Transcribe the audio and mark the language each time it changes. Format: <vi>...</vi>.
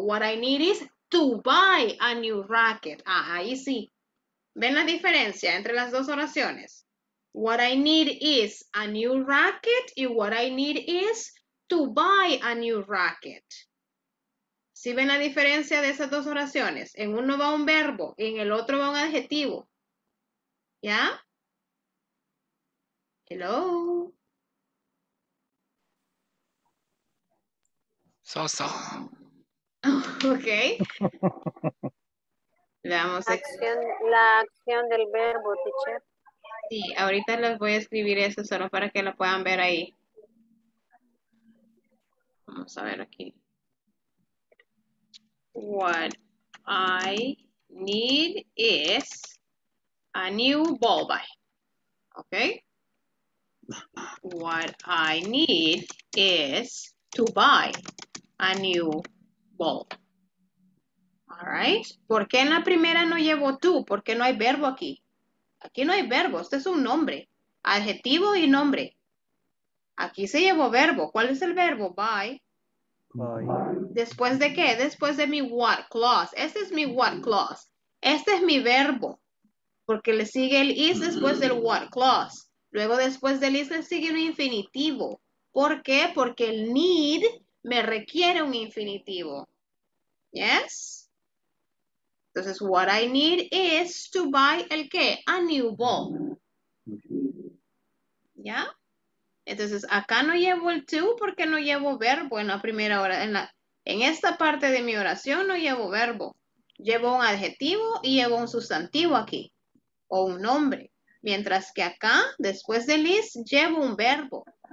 <en>What I need is to buy a new racket.</en> <es>Ah, ahí sí. ¿Ven la diferencia entre las dos oraciones?</es> <en>What I need is a new racket y what I need is to buy a new racket.</en> <es>¿Sí ven la diferencia de esas dos oraciones? En uno va un verbo y en el otro va un adjetivo. ¿Ya?</es> <en>Hello. So.</en> <es>Ok. Veamos. La acción del verbo, teacher. Sí, ahorita les voy a escribir eso solo para que lo puedan ver ahí. Vamos a ver aquí.</es> <en>What I need is a new ball bat. Okay. What I need is to buy a new ball. All right.</en> <es>¿Por qué en la primera no llevo tú? ¿Por qué no hay verbo aquí? Aquí no hay verbo. Este es un nombre. Adjetivo y nombre. Aquí se llevó verbo. ¿Cuál es el verbo? Buy. ¿Después de qué? Después de mi what clause. Este es mi what clause. Este es mi verbo. Porque le sigue el is después del what clause. Luego después del is le sigue un infinitivo. ¿Por qué? Porque el need me requiere un infinitivo. ¿Yes? Entonces,</es> <en>what I need is to buy</en> <es>el qué?</es> <en>A new ball. ¿Ya?</en> <es>Entonces, acá no llevo el to porque no llevo verbo en la primera hora. En esta parte de mi oración no llevo verbo. Llevo un adjetivo y llevo un sustantivo aquí. O un nombre. Mientras que acá, después del is, llevo un verbo.</es>